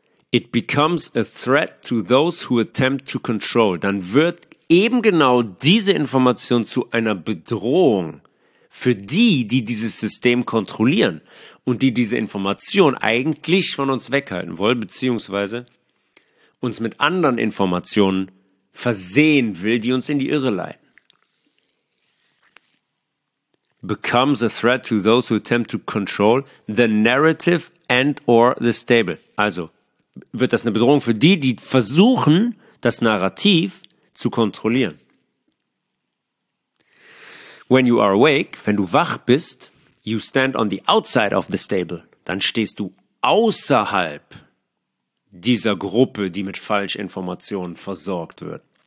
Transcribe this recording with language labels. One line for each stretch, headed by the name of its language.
English: It becomes a threat to those who attempt to control.
German: Dann wird eben genau diese Information zu einer Bedrohung für die, die dieses System kontrollieren und die diese Information eigentlich von uns weghalten wollen, beziehungsweise uns mit anderen Informationen versehen will, die uns in die Irre leiten.
English: Becomes a threat to those who attempt to control the narrative and or the stable.
German: Also wird das eine Bedrohung für die, die versuchen, das Narrativ zu kontrollieren.
English: When you are awake,
German: wenn du wach bist,
English: you stand on the outside of the stable.
German: Dann stehst du außerhalb dieser Gruppe, die mit Falschinformationen versorgt wird.